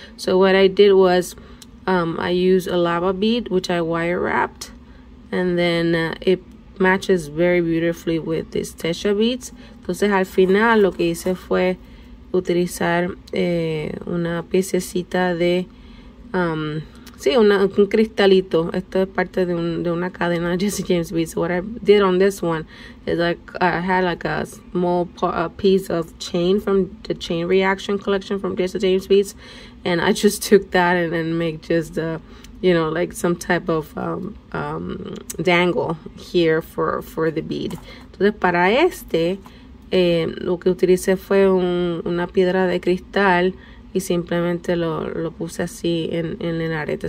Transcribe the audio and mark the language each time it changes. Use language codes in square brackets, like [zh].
[en] So what I did was I used a lava bead which I wire wrapped, and then it matches very beautifully with these Tesha beads. [es] Entonces al final lo que hice fue utilizar una piececita de un cristalito. Esto es parte de una cadena de Jesse James Beads. [en] What I did on this one is like I had like a small piece of chain from the Chain Reaction collection from Jesse James Beads, and I just took that and then make just the like some type of dangle here for the bead. [es] Entonces para lo que utilicé fue una piedra de cristal y simplemente lo puse así en el arete.